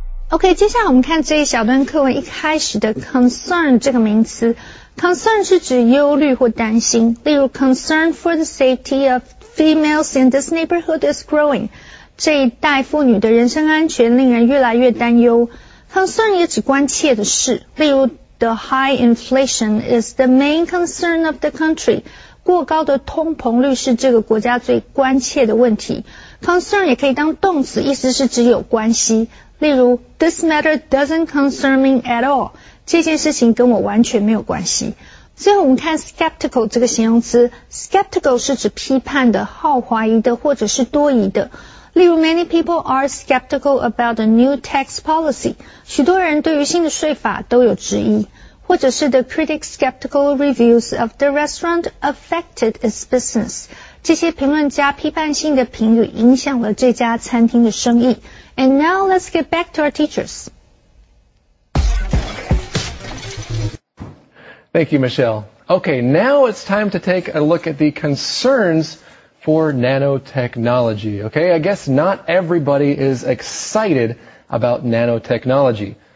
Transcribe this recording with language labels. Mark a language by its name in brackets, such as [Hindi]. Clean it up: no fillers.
[Chinese] OK, 接下来我们看这一小段课文一开始的 concern 这个名词。 Concern 是指忧虑或担心。例如 [English] concern for the safety of females in this neighborhood is growing. [Chinese] 这一代妇女的人身安全令人越来越担忧。 Concern 也指关切的事。例如 [English] ,the high inflation is the main concern of the country. [Chinese] 过高的通膨率是这个国家最关切的问题。 Concern 也可以当动词意思是指有关系。例如 [English] ,this matter doesn't concern me at all. [Chinese] 这件事情跟我完全没有关系。最后我们看 skeptical 这个形容词。Skeptical 是指批判的、好怀疑的或者是多疑的。例如 [English] ,many people are skeptical about the new tax policy. [Chinese] 许多人对于新的税法都有质疑。或者是 [English] the critic skeptical reviews of the restaurant affected its business. [Chinese] 这些评论家批判性的评语影响了这家餐厅的生意。 [English] And now let's get back to our teachers. Thank you, Michelle. Okay, now it's time to take a look at the concerns for nanotechnology. Okay, I guess not everybody is excited about nanotechnology.